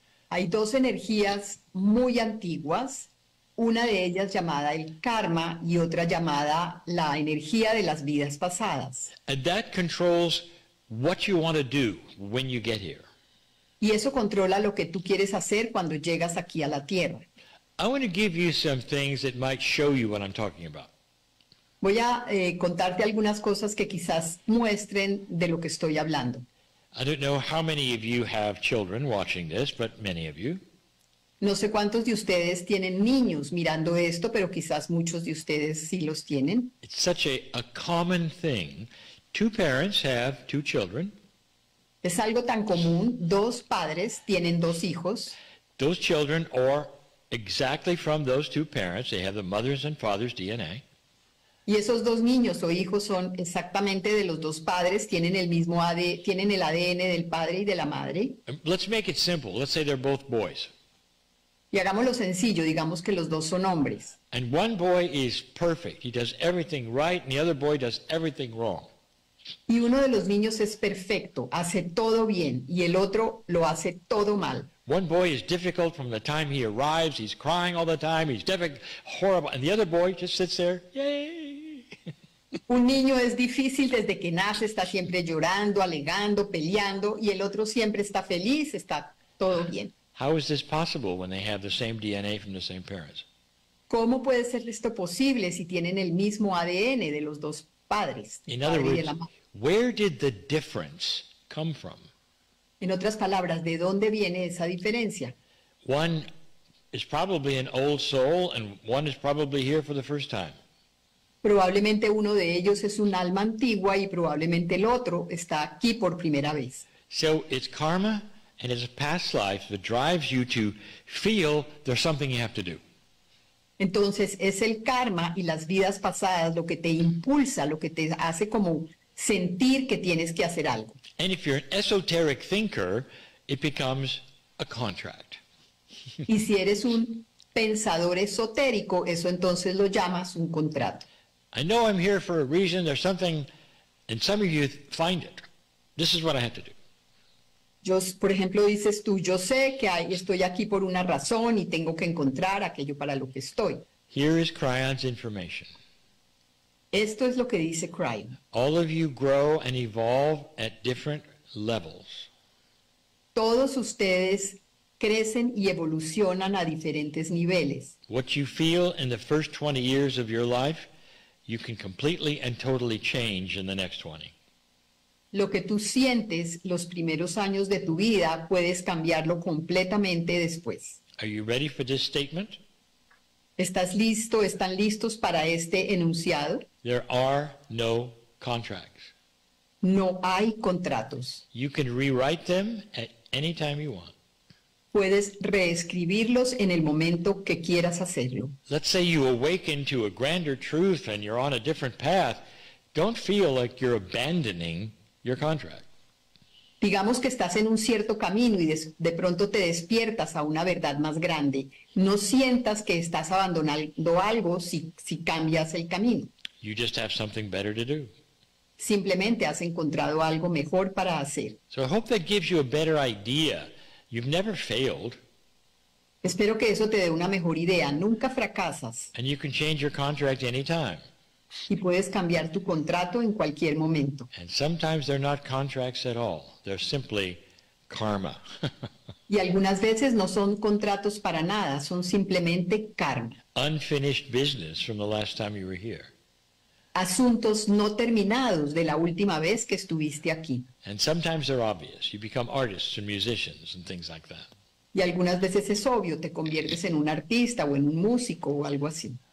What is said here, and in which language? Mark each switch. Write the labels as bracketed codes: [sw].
[es] Hay dos energías muy antiguas, una de ellas llamada el karma y otra llamada la energía de las vidas pasadas. [en] And that controls what you want to do when you get here. [es] Y eso controla lo que tú quieres hacer cuando llegas aquí a la Tierra. [en] I want to give you some things that might show you what I'm talking about. [es] Voy a contarte algunas cosas que quizás muestren de lo que estoy hablando. [en] I don't know how many of you have children watching this, but many of you. [es] No sé cuántos de ustedes tienen niños mirando esto, pero quizás muchos de ustedes sí los tienen. [en] It's such a common thing. Two parents have two children. [es] Es algo tan común. Dos padres tienen dos hijos. [en] Those children are exactly from those two parents. They have the mother's and father's DNA. [es] Y esos dos niños o hijos son exactamente de los dos padres, tienen el mismo ADN, tienen el ADN del padre y de la madre. [en] Let's make it simple. Let's say they're both boys. [es] Y hagámoslo sencillo, digamos que los dos son hombres. [en] And one boy is perfect. He does everything right, and the other boy does everything wrong. [es] Y uno de los niños es perfecto, hace todo bien, y el otro lo hace todo mal. [en] One boy is difficult from the time he arrives, he's crying all the time, he's difficult, horrible, and the other boy just sits there, yay! [es] Un niño es difícil desde que nace, está siempre llorando, alegando, peleando, y el otro siempre está feliz, está todo bien. [en] How is this possible when they have the same DNA from the same parents? [es] ¿Cómo puede ser esto posible si tienen el mismo ADN de los dos padres? [en] In other words, where did the difference come from? [es] En otras palabras, ¿de dónde viene esa diferencia? [en] One is probably an old soul and one is probably here for the first time. [es] Probablemente uno de ellos es un alma antigua y probablemente el otro está aquí por primera vez. [en] So it's karma and it's a past life that drives you to feel there's something you have to do. [es] Entonces es el karma y las vidas pasadas lo que te impulsa, lo que te hace como sentir que tienes que hacer algo. [en] And if you're an esoteric thinker, it becomes a contract. [es] Y si eres un pensador esotérico, eso entonces lo llamas un contrato. [en] I know I'm here for a reason, there's something, and some of you find it. This is what I have to do. [es] Yo, por ejemplo, dices tú, yo sé que estoy aquí por una razón y tengo que encontrar aquello para lo que estoy. [en] Here is Cryon's information. [es] Esto es lo que dice Cryon. [en] All of you grow and evolve at different levels. [es] Todos ustedes crecen y evolucionan a diferentes niveles. [en] What you feel in the first 20 years of your life, you can completely and totally change in the next 20. [es] Lo que tú sientes los primeros años de tu vida, puedes cambiarlo completamente después. [en] Are you ready for this statement? [es] ¿Estás listo? ¿Están listos para este enunciado? [en] There are no contracts. [es] No hay contratos. [en] You can rewrite them at any time you want. [es] Puedes reescribirlos en el momento que quieras hacerlo. [en] Let's say you awaken to a grander truth and you're on a different path. Don't feel like you're abandoning your contract. [es] Digamos que estás en un cierto camino y de pronto te despiertas a una verdad más grande. No sientas que estás abandonando algo si cambias el camino. [en] You just have something better to do. [es] Simplemente has encontrado algo mejor para hacer. [en] So I hope that gives you a better idea. You've never failed. [es] Espero que eso te dé una mejor idea. Nunca fracasas. [en] And you can change your contract anytime. [es] Y puedes cambiar tu contrato en cualquier momento. [en] And sometimes they're not contracts at all. They're simply karma. [es] Y algunas veces no son contratos para nada, son simplemente karma. [en] Unfinished business from the last time you were here. [es] Asuntos no terminados de la última vez que estuviste aquí. [en] And sometimes they're obvious. You become artists and musicians and things like that. [es] Y algunas veces es obvio, te conviertes en un artista o en un músico o algo así.